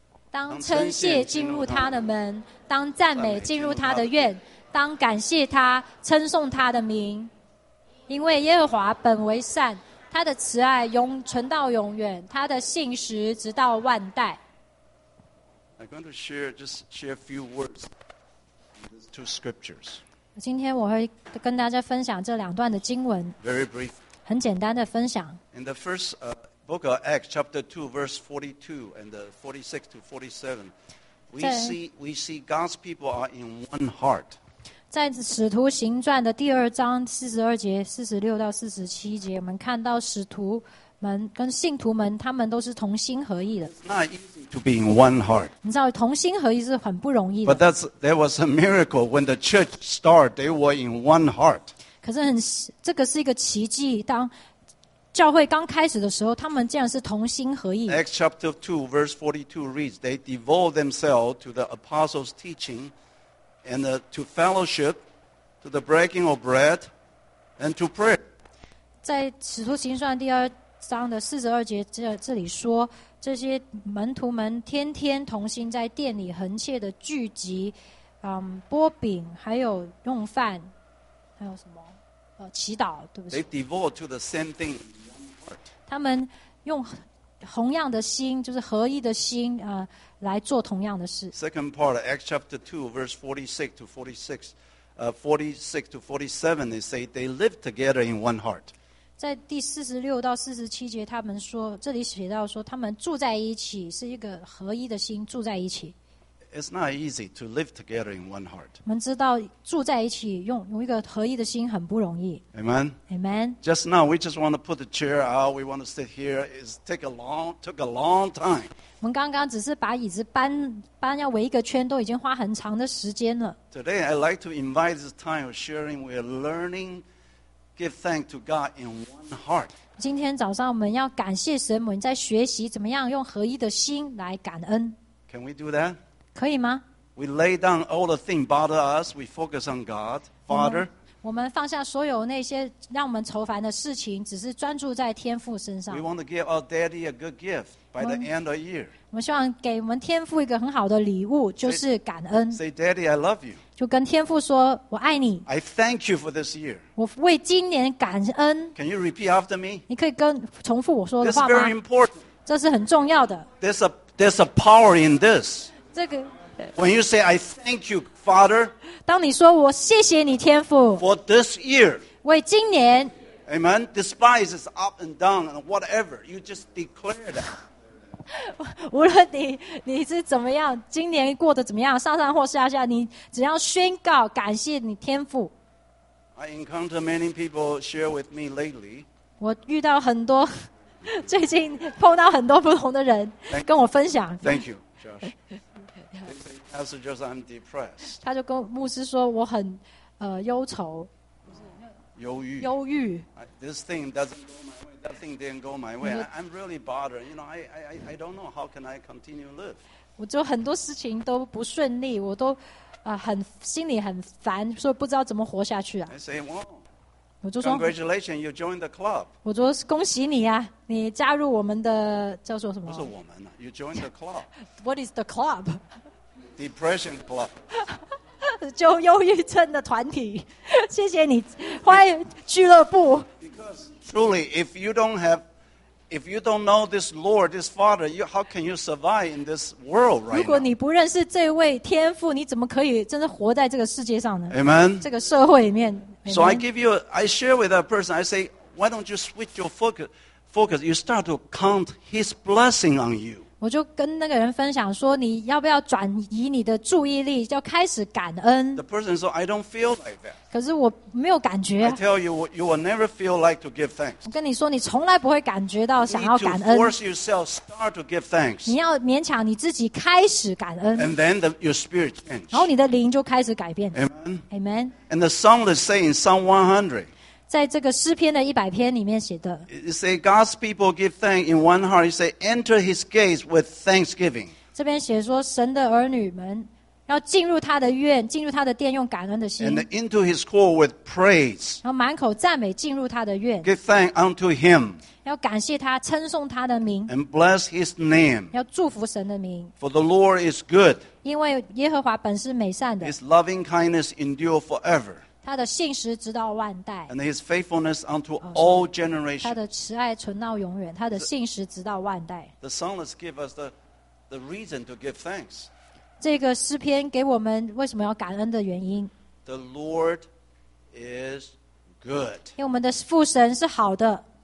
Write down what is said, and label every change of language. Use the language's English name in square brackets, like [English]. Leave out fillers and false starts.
[Chinese] 当称谢进入他的门，当赞美进入他的院，当感谢他，称颂他的名。因为耶和华本为善，他的慈爱永存到永远，他的信实直到万代。 [English] I'm going to share a few words in these two scriptures. [Chinese] 今天我会跟大家分享这两段的经文。 [English] Very brief. [Chinese] 很简单的分享。 [English] In the first book of Acts, chapter 2, verse 42 and 46 to 47. We see God's people are in one heart. [Chinese] 在使徒行传的第二章四十二节四十六到四十七节，我们看到使徒们跟信徒们，他们都是同心合意的。 [English] It's not easy to be in one heart. [Chinese] 你知道同心合意是很不容易的。 [English] But there was a miracle when the church started. They were in one heart. [Chinese] 可是这个是一个奇迹，当教会刚开始的时候，他们竟然是同心合意。 [English] Acts chapter 2, verse 42 reads, They devote themselves to the apostles' teaching and to fellowship, to the breaking of bread, and to prayer. [Chinese] 在使徒行传第二章的四十二节 这里说，这些门徒们天天同心在殿里横切的聚集，拨饼，还有用饭，还有什么？祈祷，对不起。 [English] They devote to the same thing. [Chinese] 他们用同样的心，就是合一的心，来做同样的事。 [English] Second part, Acts chapter 2, verse 46 to 46, 46 to 47, they say they live together in one heart. [Chinese] 在第四十六到四十七节，他们说，这里写到说，他们住在一起，是一个合一的心住在一起。 [English] It's not easy to live together in one heart. [Chinese] 我们知道住在一起用一个合一的心很不容易。 [English] Amen. Amen. Just now, we just want to put the chair out. We want to sit here. It's took a long time. [Chinese] 我们刚刚只是把椅子搬要围一个圈，都已经花很长的时间了。 [English] Today, I'd like to invite this time of sharing. We're learning, give thanks to God in one heart. [Chinese] 今天早上我们要感谢神，我们在学习怎么样用合一的心来感恩。 [English] Can we do that? [Chinese] 可以吗? [English] We lay down all the things bother us. We focus on God, Father. [Chinese] 我们放下所有那些让我们愁烦的事情，只是专注在天父身上。 [English] We want to give our daddy a good gift by the end of the year. [Chinese] 我们希望给我们天父一个很好的礼物，就是感恩。 [English] Say, Daddy, I love you. [Chinese] 就跟天父说，我爱你。 [English] I thank you for this year. [Chinese] 我为今年感恩。 [English] Can you repeat after me? [Chinese] 你可以重复我说的话吗? [English] This is very important. [Chinese] 这是很重要的。 [English] There's a power in this. When you say, I thank you, Father, [Chinese] 当你说我谢谢你天父 [English] for this year, [Chinese] 为今年 [English] Amen, despise is up and down and whatever, you just declare that. [Chinese] 无论 你是怎么样，今年过得怎么样，上上或下下，你只要宣告感谢你天父。 [English] I encounter many people share with me lately. [Chinese] 我遇到很多，最近碰到很多不同的人跟我分享。 [English] Thank you, Josh. Pastor Joseph, I'm depressed. [Chinese] 他就跟牧师说我很忧愁，忧郁。 [English] This thing doesn't go my way. That thing didn't go my way. I'm really bothered. You know, I don't know how can I continue to live. [Chinese] 我就很多事情都不顺利，我都很心里很烦，说不知道怎么活下去啊。 [English] I say, well, [Chinese] 我就说 [English] Congratulations, you joined the club. [Chinese] 我说恭喜你啊，你加入我们的叫做什么？不是我们啊， [English] you joined the club. What is the club? Depression Club. [Chinese] 就忧郁症的团体，谢谢你，欢迎俱乐部。 [English] Because truly, if you don't know this Lord, this Father, how can you survive in this world right now? [Chinese] 如果你不认识这位天父，你怎么可以真的活在这个世界上呢？ [English] Amen. [Chinese] 这个社会里面。 [English] So I share with that person. I say, why don't you switch your focus? You start to count His blessing on you. [Chinese] 我就跟那个人分享说，你要不要转移你的注意力，就开始感恩。 [English] The person said, "I don't feel like that." [Chinese] 可是我没有感觉。 [English] I tell you, you will never feel like to give thanks. [Chinese] 我跟你说，你从来不会感觉到想要感恩。 [English] You force yourself start to give thanks. [Chinese] 你要勉强你自己开始感恩。 [English] And then your spirit changes. [Chinese] 然后你的灵就开始改变。 [English] Amen. Amen. And the psalmist says in Psalm 100. [Chinese] 在这个诗篇的一百篇里面写的 [English] It say God's people give thanks in one heart. It say enter his gates with thanksgiving. [Chinese] 这边写说神的儿女们要进入他的院，进入他的殿，用感恩的心 [English] And into his court with praise. [Chinese] 然后满口赞美进入他的院 [English] Give thanks unto him. [Chinese] 要感谢他，称颂他的名 [English] And bless his name. [Chinese] 要祝福神的名 [English] For the Lord is good. [Chinese] 因为耶和华本是美善的 [English] His loving kindness endure forever. And his faithfulness unto all generations. [Chinese] 他的慈爱存到永远, 他的信实直到万代。 [English] The psalmist gives us the reason to give thanks. [Chinese] 这个诗篇给我们为什么要感恩的原因? [English] The Lord is good. [Chinese] 因为我们的父神是好的。